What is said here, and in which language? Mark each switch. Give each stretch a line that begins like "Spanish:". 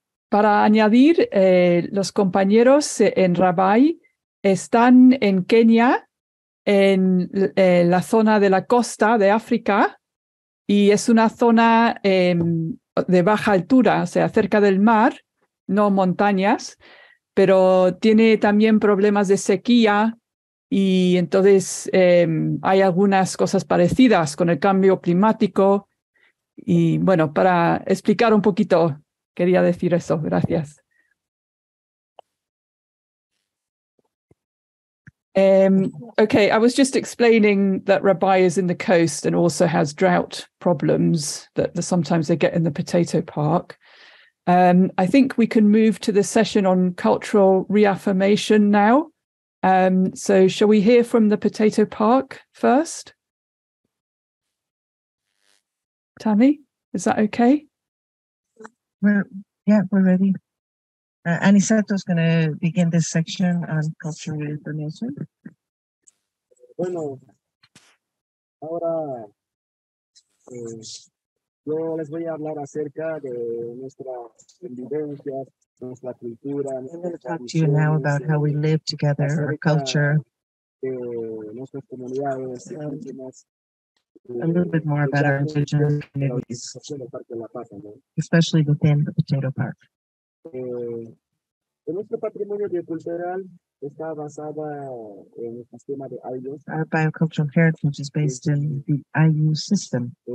Spanish: Para añadir, los compañeros en Rabai están en Kenia, en la zona de la costa de África, y es una zona de baja altura, o sea, cerca del mar, no montañas, pero tiene también problemas de sequía, y entonces hay algunas cosas parecidas con el cambio climático. Y bueno, para explicar un poquito, quería decir eso. Gracias.
English: Okay, I was just explaining that Rabai is in the coast and also has drought problems that sometimes they get in the potato park. I think we can move to the session on cultural reaffirmation now. So shall we hear from the potato park first? Tammy, is that okay? We're ready. Aniceto's going to begin this section on cultural reaffirmation.
Spanish: Bueno, ahora yo les voy a hablar acerca de nuestra convivencia, nuestra cultura.
English: I'm going to talk to you now about how we live together, our culture,
Spanish: de nuestras comunidades,
English: a little bit more about our indigenous communities, especially within the potato park. Our biocultural heritage is based in the IU system.